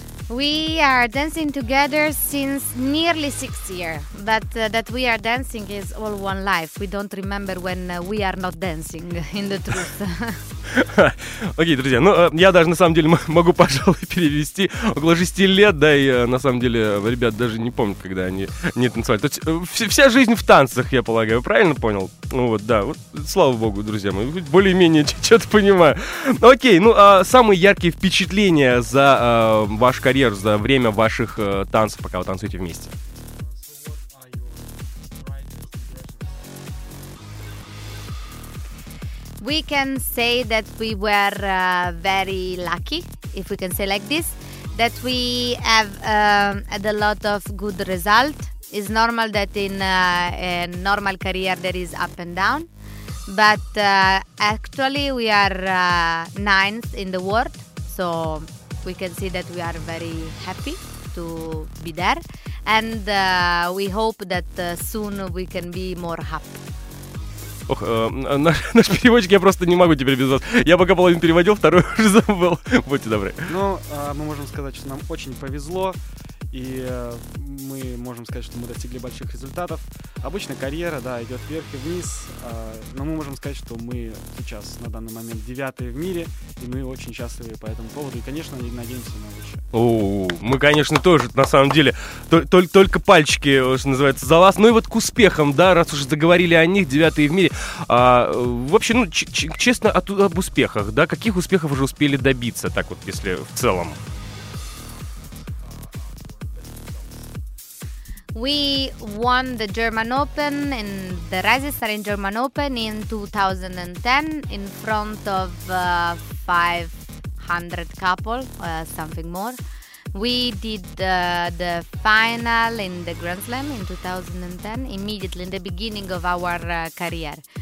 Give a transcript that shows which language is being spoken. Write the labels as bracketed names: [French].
[English] We are dancing together since nearly 6 years, but that we are dancing is all one life. We don't remember when we are not dancing, in the truth. [Russian] Окей, друзья, ну, я даже, на самом деле, могу, пожалуй, перевести около 6 лет, да, и, на самом деле, ребят даже не помнят, когда они не танцевали. То есть, вся жизнь в танцах, я полагаю, правильно понял? Ну, вот, да, вот, слава богу, друзья мои, более-менее что-то понимаю. Окей, ну, самые яркие впечатления за ваш карьеру, за время ваших танцев, пока вы танцуете вместе. [English] We can say that we were very lucky, if we can say like this, that we have had a lot of good result. It's normal that in a normal career there is up and down, but actually we are ninth in the world, so we can see that we are very happy to be there, and we hope that soon we can be more happy. [Russian] Ох, наш переводчик, я просто не могу теперь без вас. Я пока половину переводил, вторую уже забыл. Будьте добры. Ну, мы можем сказать, что нам очень повезло. И мы можем сказать, что мы достигли больших результатов. Обычно карьера, да, идет вверх и вниз. Но мы можем сказать, что мы сейчас на данный момент 9-е в мире. И мы очень счастливы по этому поводу. И, конечно, надеемся на лучшее. Мы, конечно, тоже, на самом деле, только пальчики, что называется, за вас. Ну и вот к успехам, да, раз уже заговорили о них, 9-е в мире. Вообще, ну, честно, об успехах, да. Каких успехов уже успели добиться, так вот, если в целом? [English] We won the German Open and the Rising Star in German Open in 2010 in front of 500 couple, something more. We did the final in the Grand Slam in 2010, immediately in the beginning of our career.